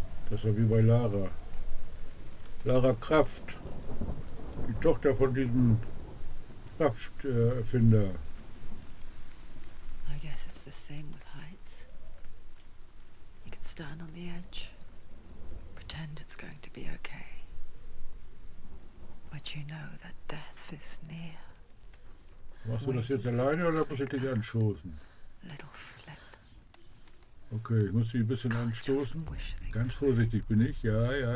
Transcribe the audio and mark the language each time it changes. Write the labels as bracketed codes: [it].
[de] Das war wie bei Lara. Lara Kraft, die Tochter von diesem Krafterfinder. [en] I guess it's the same with heights. You can stand on the edge, pretend it's going to be okay. But you know that death is near. [de] Machst du das jetzt alleine oder muss ich dich anschoßen? Okay, ich muss dich ein bisschen anstoßen. Ganz vorsichtig bin ich. Ja.